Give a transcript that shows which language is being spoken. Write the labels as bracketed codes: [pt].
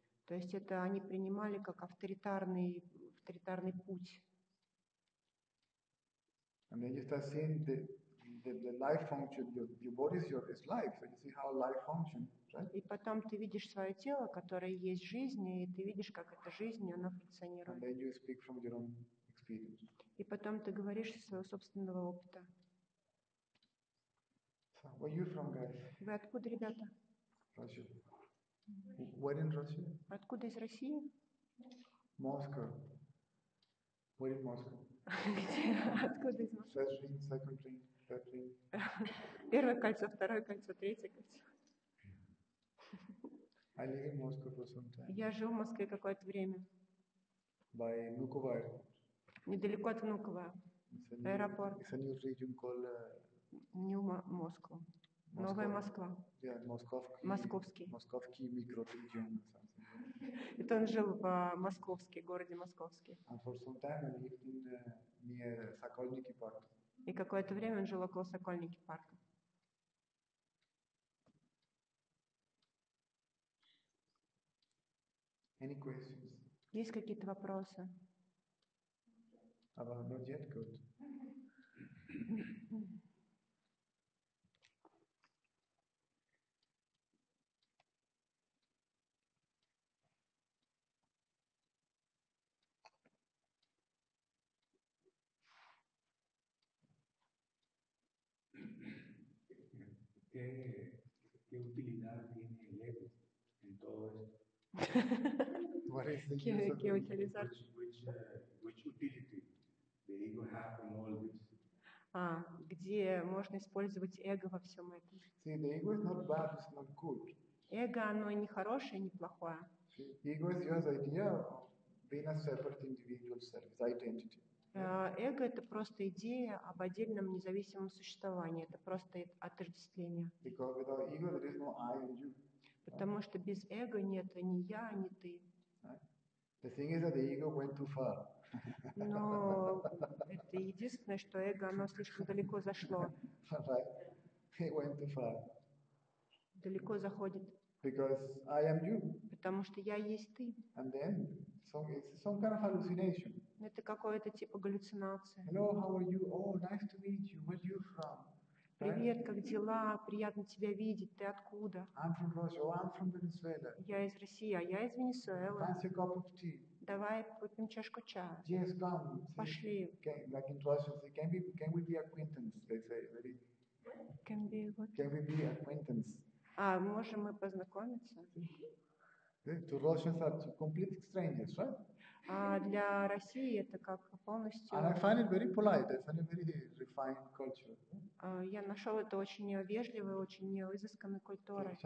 [ru] То есть это они принимали как авторитарный путь. [en] And then you start seeing the life function, your body is your life, so you see how life functions, right? [ru] И потом ты видишь свое тело, которое есть жизнь, и ты видишь, как эта жизнь, она функционирует. [en] And then you speak from your own experience. [ru] И потом ты говоришь из своего собственного опыта. [en] So, where are you from, guys? [ru] Вы откуда, ребята? [en] Russia. Where in Russia? [ru] Откуда из России? [en] Moscow. Where in Moscow? [ru] Где? Откуда из Москвы? [en] First ring, second ring, third ring. [ru] Первое кольцо, второе кольцо, третье кольцо. [en] I live in Moscow for some time. [ru] Я жил в Москве какое-то время. [en] By Vnukovo. [ru] Недалеко от Внуково. Аэропорт. [en] It's a new region called New Moscow. Новая Москва. [ru] Yeah, Московский. Московский. Московский микрорегион. Это он жил в Московский, городе Московский. [en] And for some time he lived in near Sokolniki Park. [ru] И какое-то время он жил около Сокольники парка. [en] Any questions? [ru] Есть какие-то вопросы? [en] But not yet, good. [es] ¿Qué utilidad tiene el ego en todo esto? [en] What is the [es] ¿Qué utilizar? [en] Which utility? The ego have in all this. [ru] Где можно использовать эго во всем этом? [en] See, the ego is not bad, it's not good. [ru] Эго, оно не хорошее, не плохое. [en] See, ego is your idea of being a separate individual self, identity. [ru] Эго это просто идея об отдельном независимом существовании. Это просто отождествление. [en] Because without ego there is no I and you. [ru] Потому что без эго нет ни я, ни ты. [en] The thing is that the ego went too far. [ru] Но это единственное, что эго, оно слишком далеко зашло. [en] Right. It went too far. [ru] Далеко заходит. [en] Because I am you. [ru] Потому что я есть ты. [en] And then, so it's some kind of hallucination. [ru] Это какое-то типа галлюцинация. [en] Hello, how are you? Oh, nice to meet you. Where are you from? [ru] Привет, как дела? Приятно тебя видеть. Ты откуда? [en] I'm from Russia. Oh, I'm from Venezuela. [ru] Я из России, а я из Венесуэлы. [en] Fancy a cup of tea. [ru] Давай выпьем чашку чая. [en] Yes, come. [ru] Пошли. [en] Like in Russia, they can be, can we be acquaintance? They say, very. Can be what? Can we be acquaintance? [ru] А можем мы познакомиться? [en] To Russians are complete strangers, right? [ru] А для России это как полностью. [en] And I find it very polite. I find it very refined culture. [ru] Я нашел это очень вежливой, очень изысканной культурой.